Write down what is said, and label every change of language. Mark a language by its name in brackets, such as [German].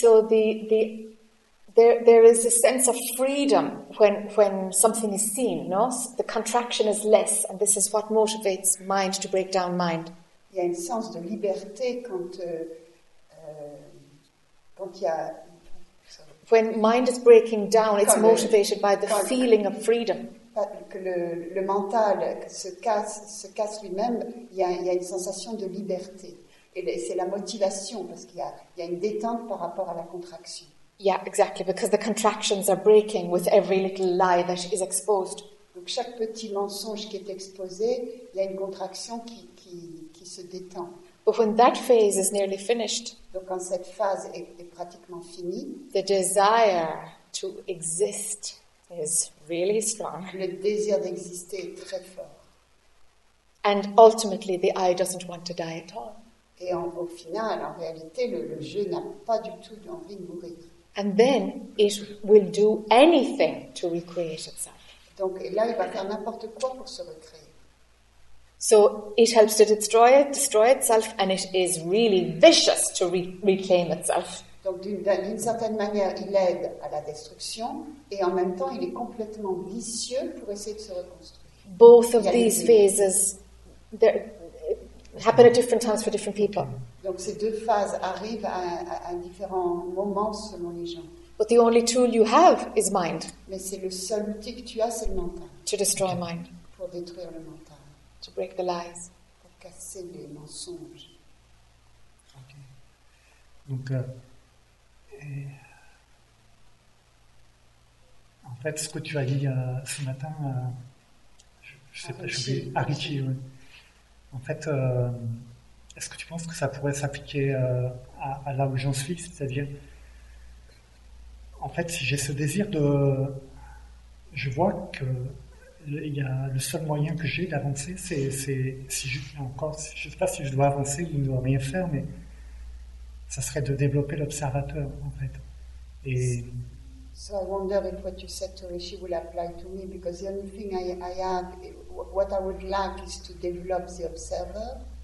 [English] Now, there is a sense of freedom when something is seen, no? The contraction is less, and this is what motivates mind to break down mind. [French] Il y a un sens de liberté quand il y a... [English] When mind is breaking down, it's motivated by the feeling of freedom. [French] Que le mental se casse lui-même, il y a une sensation de liberté. Et c'est la motivation, parce qu'il y a une détente par rapport à la contraction. [English] Yeah, exactly, because the contractions are breaking with every little lie that is exposed. [French] Donc chaque petit mensonge qui est exposé, il y a une contraction qui se détend. [English] But when that phase is nearly finished, [French] donc quand cette phase est pratiquement finie, [English] the desire to exist is really strong. [French] Le désir d'exister est très fort. [English] And ultimately, the I doesn't want to die at all. [French] Et au final, en réalité, le jeu n'a pas du tout envie de mourir. [English] And then it will do anything to recreate itself. [French] Donc là, il va faire n'importe quoi pour se recréer. [English] So it helps to destroy itself, and it is really vicious to reclaim itself. [French] Donc d'une certaine manière, il aide à la destruction, et en même temps, il est complètement vicieux pour essayer de se reconstruire. [English] Both of these phases, they're... happen at different times for different people. [French] Donc ces deux phases arrivent à différents moments selon les gens. [English] But the only tool you have is mind. [French] Mais c'est le seul outil que tu as, c'est le mental. [English] To destroy mind. [French] Pour détruire le mental. [English] To break the lies. [French] Pour casser les mensonges. [English] Ok. [French] Donc, en fait, ce que tu as dit ce matin, je sais pas, Arichi, oui. En fait, est-ce que tu penses que ça pourrait s'appliquer à là où j'en suis? C'est-à-dire, en fait, si j'ai ce désir de... Je vois que le seul moyen que j'ai d'avancer, c'est si je fais encore... Je ne sais pas si je dois avancer ou ne dois rien faire, mais ça serait de développer l'observateur, en fait. Et... [English] So I wonder if what you said to Rishi will apply to me, because the only thing I have, what I would like is to develop the observer.